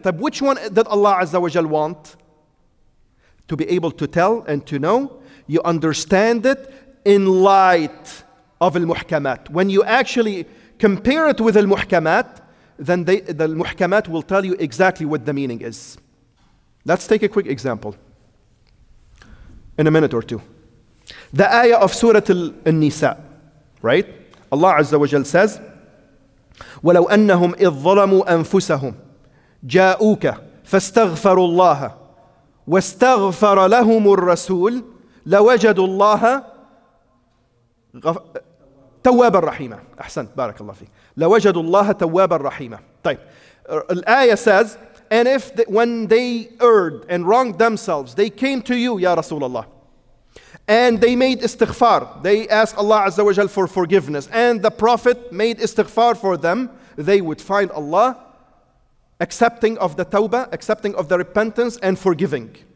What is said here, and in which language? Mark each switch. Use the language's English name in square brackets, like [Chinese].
[English] But which one did Allah Azza wa Jal want? To be able to tell and to know, you understand it in light of al-muhkamat. When you actually compare it with al-muhkamat, then the al-muhkamat will tell you exactly what the meaning is. Let's take a quick example in a minute or two. The ayah of Surah An-Nisa, right? [Arabic] Allah Azza wa Jal [English] says, [Arabic] وَلَوْ أَنَّهُمْ إِذْ ظَلَمُوا أَنفُسَهُمْ جَاءُوكَ فَاسْتَغْفَرُوا اللَّهَ وَاسْتَغْفَرَ لَهُمُ الرَّسُولُ لَوَجَدُوا اللَّهَ تَوَّابًا رَحِيمًا. أحسنت, بارك الله فيك. لَوَجَدُوا اللَّهَ تَوَّابًا رَحِيمًا. طيب, الآية [English] says, and if when they erred and wronged themselves, they came to you, Ya Rasulullah, and they made istighfar. They asked Allah Azza wa Jal for forgiveness, and the Prophet made istighfar for them, they would find Allah accepting of the tawbah, accepting of the repentance, and forgiving.